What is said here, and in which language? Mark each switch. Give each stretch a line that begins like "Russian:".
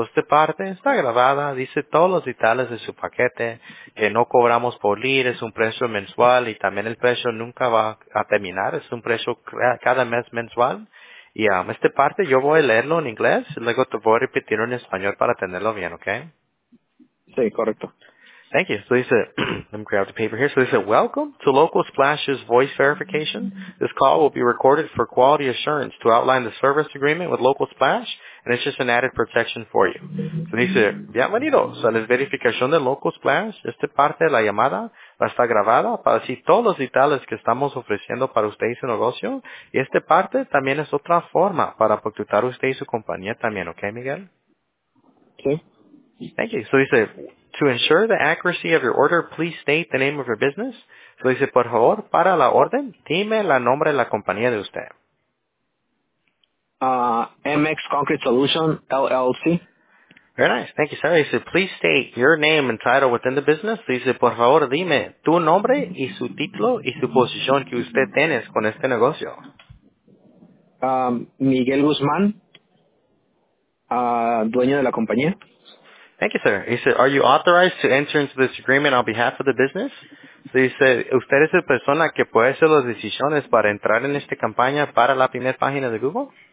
Spanish: So, esta parte está grabada, dice todos los detalles de su paquete, que no cobramos por lead, es un precio mensual y también el precio nunca va a terminar, es un precio cada mes mensual. Y esta parte yo voy a leerlo en inglés, luego te voy a repetirlo en español para tenerlo bien, ¿ok? Sí, correcto.
English: Thank you. So dice, let me grab the paper here. So dice, welcome to Local Splash's voice verification. This call will be recorded for quality assurance to outline the service agreement with Local Splash, and it's just an added protection for you.
Spanish: So dice, bienvenidos a la verificación de Local Splash. Esta parte de la llamada va a estar grabada para decir todos los detalles que estamos ofreciendo para usted y su negocio. Y esta parte también es otra forma para protectar usted y su compañía también.
English: Okay, Miguel? Okay. Thank you. So dice, to ensure the accuracy of your order, please state the name of your business.
Spanish: So dice, por favor, para la orden, dime la nombre de la compañía de usted.
English: MX Concrete Solution, LLC. Very nice. Thank you, sir. Dice, please state your name and title within the business.
Spanish: So dice, por favor, dime tu nombre y su título y su posición que usted tiene con este negocio. Miguel Guzmán, dueño de la compañía.
English: Thank you, sir. He said, are you authorized to enter into this agreement on behalf of the business? So he said,
Spanish: ¿usted es la persona que puede hacer las decisiones para entrar en esta campaña para la primera página de Google?